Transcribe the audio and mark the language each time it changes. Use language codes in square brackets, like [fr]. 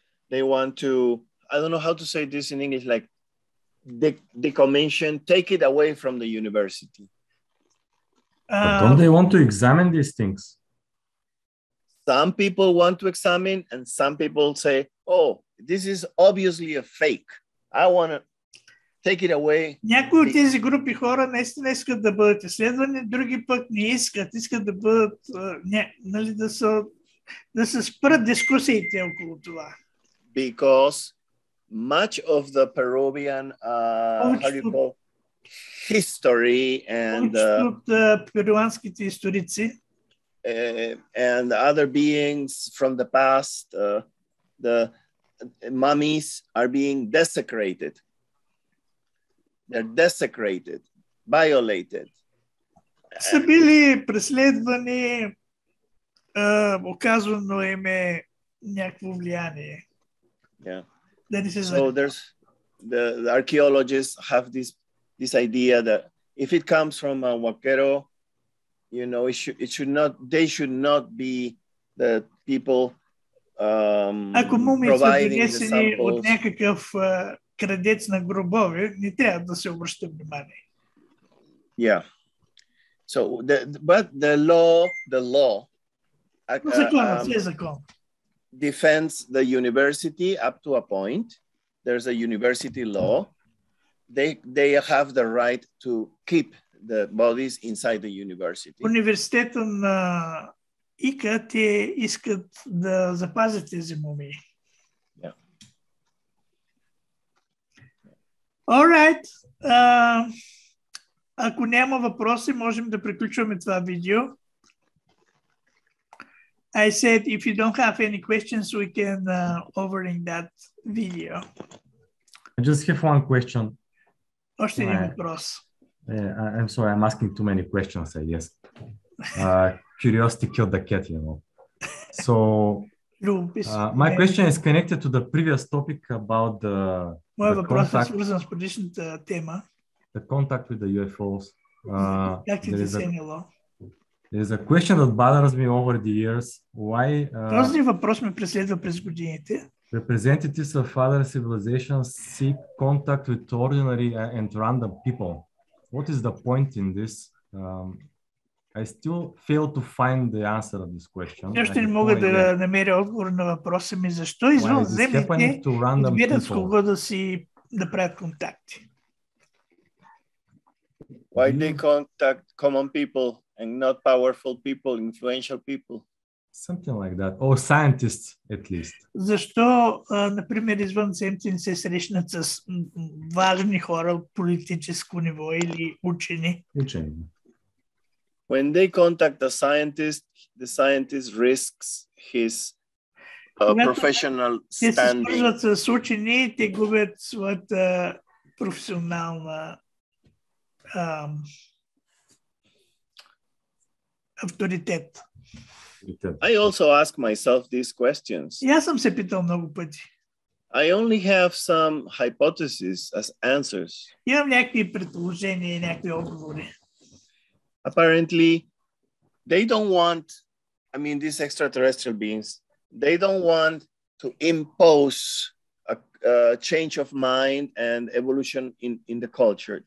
[en] They want to, I don't know how to say this in English, like decommission, take it away from the university. But don't they want to examine these things? Some people want to examine and some people say, oh, this is obviously a fake. I want to take it away. [bg] Някои от тези групи хора наистина искат да бъдат изследвани, други пък не искат. Искат да бъдат, нали, да се спрат дискусиите около това. [en] Because much of the Peruvian, how you call, history and [bg] перуанските историци [en] and other beings from the past, the mummies are being desecrated. They're desecrated, violated. [bg] Са били преследвани, оказвано им е някакво влияние. [en] Yeah. So there's the archaeologists have this idea that if it comes from a vaquero, you know, they should not be the people providing the samples. [bg] Ако мумията е от някакъв крадец на гробове, не трябва да се обръща внимание. [en] Yeah. So, the law defends the university up to a point. There's a university law. They have the right to keep the bodies inside the university. [bg] Университета на ИКА, те искат да запазят тези мумии. [en] Yeah. All right. [bg] Ако няма въпроси, можем да приключваме това видео. [en] I said, if you don't have any questions, we can overing that video. I just have one question. [bg] Още един въпрос. [en] I'm sorry, I'm asking too many questions, I guess. curiosity killed the cat, you know. So my question is connected to the previous topic about the the contact with the UFOs. There is a question that bothers me over the years. Why? [bg] Този въпрос ме преследва през годините. [en] Representatives of other civilizations seek contact with ordinary and random people. What is the point in this? I still fail to find the answer to this question. [bg] Не мога да намеря отговор на въпроса ми защо извънземните избират с кого да си направят контакти. [en] Why they contact common people and not powerful people, influential people? Something like that. Or scientists, at least. [bg] Защо, например, извънземците не се срещнат с важни хора от политическо ниво или учени? Учени. [en] When they contact the scientist risks his professional standing. [bg] Се срещат с учени, те губят своята професионална авторитет. [en] I also ask myself these questions. [bg] Я сам се питал много пъти. [en] I only have some hypotheses as answers. [bg] Имам някакви предположения и някакви отговори. [en] Apparently, they don't want, I mean, these extraterrestrial beings, they don't want to impose a change of mind and evolution in the culture.